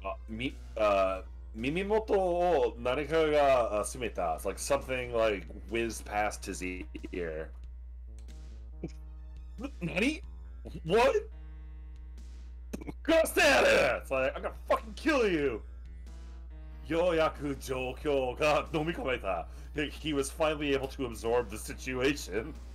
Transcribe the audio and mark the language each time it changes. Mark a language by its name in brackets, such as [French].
[Japanese] Mimimoto wo nanika ga sumeta. [English] It's like something, like, whizzed past his ear. Nani? What? Go stand there! It's like, I'm gonna fucking kill you! [Japanese] ようやく状況が飲み込めた. [English] He was finally able to absorb the situation.